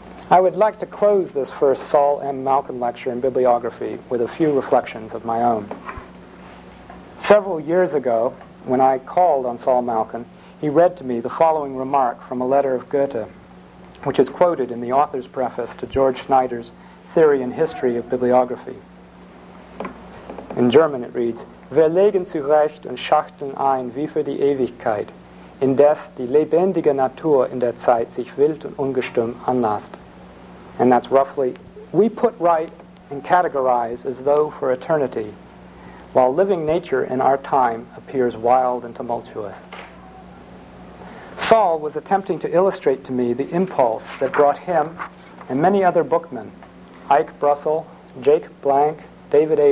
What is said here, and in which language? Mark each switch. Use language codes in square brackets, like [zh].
[en] I would like to close this first Saul M. Malkin lecture in bibliography with a few reflections of my own. Several years ago, when I called on Saul Malkin, he read to me the following remark from a letter of Goethe, which is quoted in the author's preface to George Schneider's Theory and History of Bibliography. In German it reads, [de] Wir legen zurecht und schachten ein wie für die Ewigkeit, indes die lebendige Natur in der Zeit sich wild und ungestüm anlasst. [en] And that's roughly, we put right and categorize as though for eternity, while living nature in our time appears wild and tumultuous. Saul was attempting to illustrate to me the impulse that brought him and many other bookmen, Ike Brussel, Jake Blank, David A.